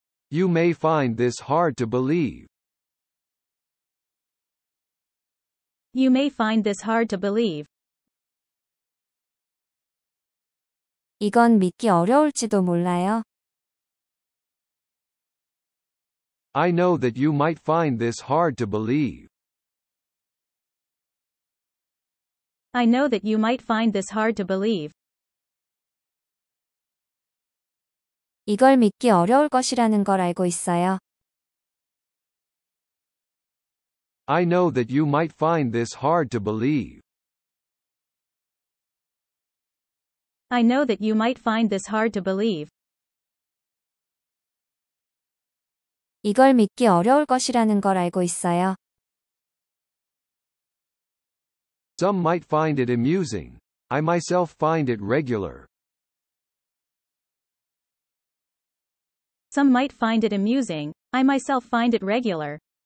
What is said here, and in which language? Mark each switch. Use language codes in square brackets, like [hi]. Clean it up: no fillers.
[en] You may find this hard to believe. You may find this hard to believe. [ko] 이건 믿기 어려울지도 몰라요. [en] I know that you might find this hard to believe. I know that you might find this hard to believe. [ko] 이걸 믿기 어려울 것이라는 걸 알고 있어요. [en] I know that you might find this hard to believe. I know that you might find this hard to believe. [ko] 이걸 믿기 어려울 것이라는 걸 알고 있어요. [en] Some might find it amusing. I myself find it regular. Some might find it amusing. I myself find it regular.